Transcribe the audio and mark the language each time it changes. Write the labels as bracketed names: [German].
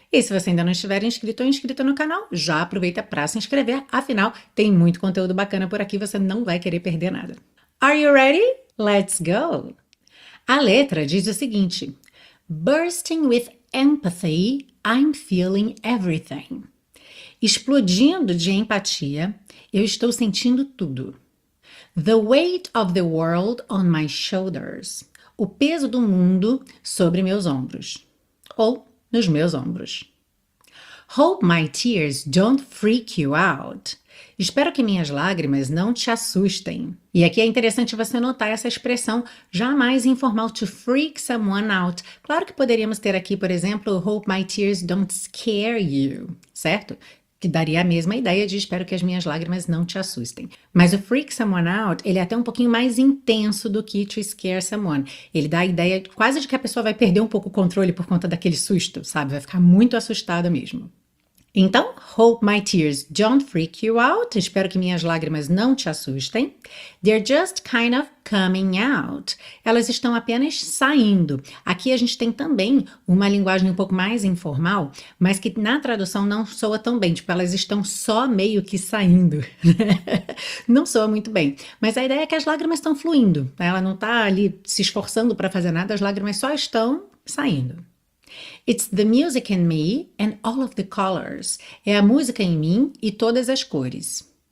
[Portuguese] E se você ainda não estiver inscrito ou inscrita no canal, já aproveita para se inscrever, afinal, tem muito conteúdo bacana por aqui, você não vai querer perder nada. [English] Are you ready? Let's go! [Portuguese] A letra diz o seguinte: [English] Bursting with empathy, I'm feeling everything. [Portuguese] Explodindo de empatia, eu estou sentindo tudo. [English] The weight of the world on my shoulders. [Portuguese] O peso do mundo sobre meus ombros. Ou nos meus ombros. [English] Hope my tears don't freak you out. [Portuguese] Espero que minhas lágrimas não te assustem. E aqui é interessante você notar essa expressão jamais informal, [English] to freak someone out. [Portuguese] Claro que poderíamos ter aqui, por exemplo, [English] hope my tears don't scare you. [Portuguese] Certo? Que daria a mesma ideia de espero que as minhas lágrimas não te assustem. Mas o [English] freak someone out, [Portuguese] ele é até um pouquinho mais intenso do que [English] to scare someone. [Portuguese] Ele dá a ideia quase de que a pessoa vai perder um pouco o controle por conta daquele susto, sabe? Vai ficar muito assustada mesmo. Então, [English] hope my tears don't freak you out. [Portuguese] Espero que minhas lágrimas não te assustem. [English] They're just kind of coming out. [Portuguese] Elas estão apenas saindo. Aqui a gente tem também uma linguagem um pouco mais informal, mas que na tradução não soa tão bem. Tipo, elas estão só meio que saindo. Não soa muito bem. Mas a ideia é que as lágrimas estão fluindo. Ela não está ali se esforçando para fazer nada. As lágrimas só estão saindo. [English] It's the music in me and all of the colors. [Portuguese] É a música em mim e todas as cores.